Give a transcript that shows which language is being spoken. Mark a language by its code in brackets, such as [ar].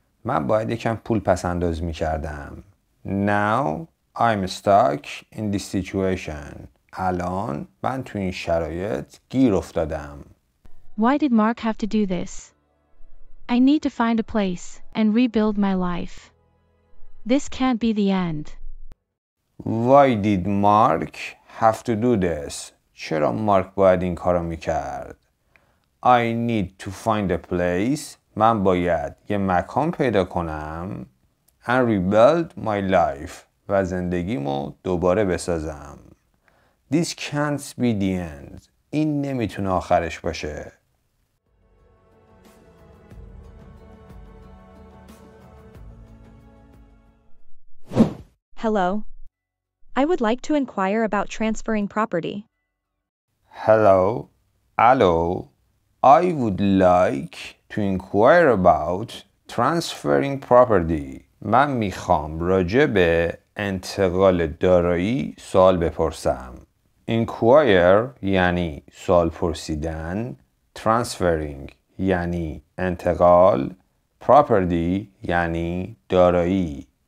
[fa] من باید یکم پول پس انداز می کردم. [en] Now, I'm stuck in this situation. [fa] الان من تو این شرایط گیر افتادم. [en] Why did Mark have to do this? I need to find a place and rebuild my life. This can't be the end. Why did Mark have to do this? [fa] چرا مارک باید این کارو میکرد؟ [en] I need to find a place. [fa] من باید یه مکان پیدا کنم [en] and rebuild my life [fa] و زندگیمو دوباره بسازم. [en] This can't be the end. [fa] این نمیتونه آخرش باشه. [en] Hello. I would like to inquire about transferring property. Hello. Allo. I would like to inquire about transferring property. [fa] من میخوام راجع به انتقال دارایی سوال بپرسم. Inquire یعنی سوال پرسیدن. Transferring یعنی انتقال. Property یعنی دارایی.